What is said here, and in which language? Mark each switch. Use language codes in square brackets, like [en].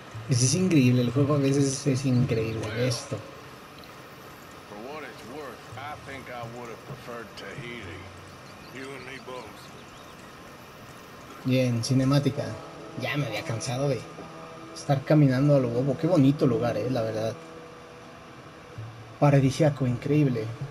[es] Es increíble, el juego a veces es increíble esto. [en] For what it's worth, I think I would have preferred Tahiti. You and me both. [es] Bien, cinemática. Ya me había cansado de estar caminando a lo bobo. Qué bonito lugar, la verdad. Paradisíaco, increíble.